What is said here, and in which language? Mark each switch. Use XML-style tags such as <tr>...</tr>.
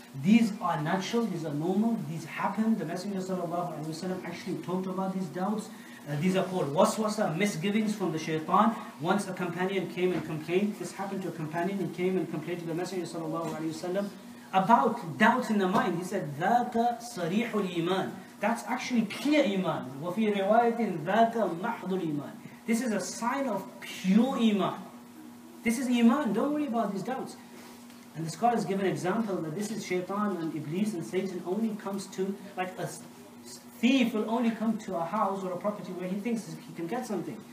<en>These are natural, these are normal, these happen. The Messenger sallallahu alaihi wasallam actually talked about these doubts. These are called waswasa, misgivings from the shaitan. Once a companion came and complained, this happened to a companion, he came and complained to the Messenger sallallahu alaihi wasallam about doubts in the mind. He said,</en> <ar>ذَاكَ صَرِيحُ الْإِيمَانِ.</ar> <en>That's actually clear iman.</en> <ar>وَفِي رِوَايَةٍ ذَاكَ مَحْضُ الْإِيمَانِ.</ar> <en>This is a sign of pure iman. This is iman, don't worry about these doubts. And the scholars give an example that this is shaitan and iblis, and Satan only comes to, like a thief will only come to a house or a property where he thinks he can get something.</en>